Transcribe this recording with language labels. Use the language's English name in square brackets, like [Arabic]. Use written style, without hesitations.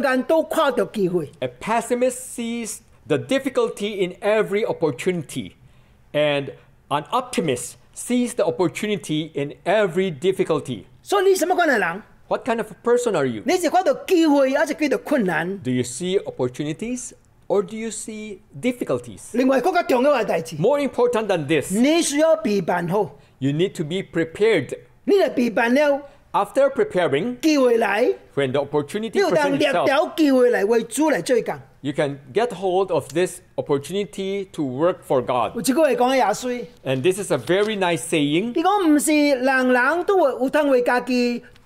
[English] A pessimist sees the difficulty in every opportunity, and an optimist sees the opportunity in every difficulty. So, what kind of a person are you? [Min Nan Chinese] 你是看到機會還是看到困難? [English] Do you see opportunities or do you see difficulties? [Min Nan Chinese] 另外更加重要的事情, [English] more important than this, [Min Nan Chinese] 你需要備辦好, [English] you need to be prepared. [Min Nan Chinese] 你的備辦了, [English] after preparing, [Min Nan Chinese] 機會來, [English] when the opportunity presents itself, you can get hold of this opportunity to work for God. And this is a very nice saying. [Min Nan Chinese] 他說不是人人都有通為家己